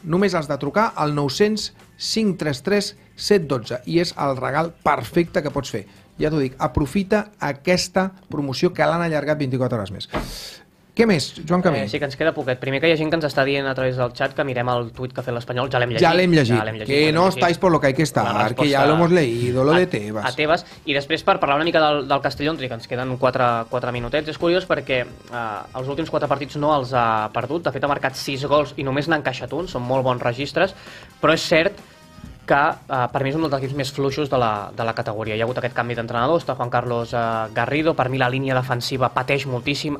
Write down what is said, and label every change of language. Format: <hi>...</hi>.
<ca>Només has de trucar al 900-533-712 i és el regal perfecte que pots fer. Ja t'ho dic, aprofita aquesta promoció que l'han allargat 24 hores més. Què més, Joan Camí? Sí, que ens queda poquet. Primer, que hi ha gent que ens està dient a través del chat que mirem el tuit que ha fet l'Espanyol. Ja l'hem llegit. Ja l'hem llegit.</ca> <es>Que no estáis por lo que hay que estar, que ja l'hemos leído, lo de Tebas. A Tebas.</es> <ca>I després, per parlar una mica del Castellón, que ens queden 4 minutets, és curiós perquè els últims 4 partits no els ha perdut. De fet, ha marcat 6 gols i només n'ha encaixat un. Són molt bons registres. Però és cert que per mi és un dels equips més fluixos de la categoria. Hi ha hagut aquest canvi d'entrenador, està Juan Carlos Garrido. Per mi la línia defensiva pateix moltíssim.</ca>